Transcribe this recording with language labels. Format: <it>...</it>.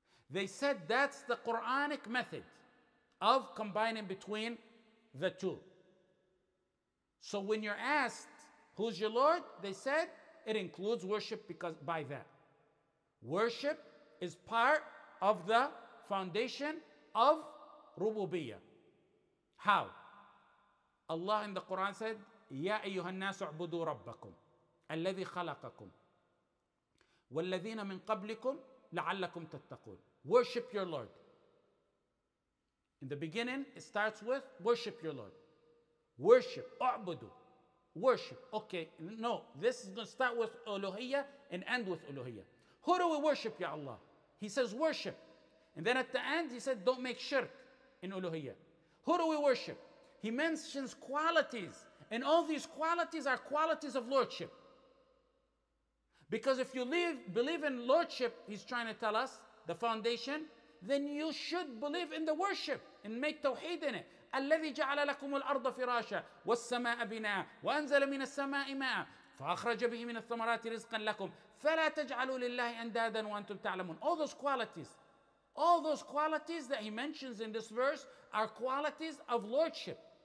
<en>They said that's the Quranic method of combining between the two. So when you're asked, who's your Lord? They said, it includes worship because by that. Worship is part of the foundation of Rububiyyah. How? Allah in the Quran said,</en> <ar>يَا أَيُّهَا النَّاسُ اعْبُدُوا رَبَّكُمْ الَّذِي خَلَقَكُمْ وَالَّذِينَ مِنْ قَبْلِكُمْ لَعَلَّكُمْ تَتَّقُونَ.</ar> <en>Worship your Lord. In the beginning, it starts with worship your Lord. Worship. أعبدوا. Worship. Okay. No. This is going to start with uluhiyya and end with uluhiyya. Who do we worship, Ya Allah? He says worship. And then at the end, he said don't make shirk in uluhiyya. Who do we worship? He mentions qualities. And all these qualities are qualities of lordship. Because if you believe in lordship, he's trying to tell us, the foundation, then you should believe in the worship and make tawheed in it.</en> <ar>الَّذِي جَعَلَ لَكُمُ الْأَرْضَ فِرَاشًا وَالسَّمَاءَ بِنَاءً وَأَنزَلَ مِنَ السَّمَاءِ مَاءً فأخرج به من الثمرات رزقا لكم فلا تجعلوا لله أندادا وأنتم تعلمون.</ar> <en>All those qualities, all those qualities that he mentions in this verse are qualities of lordship.</en>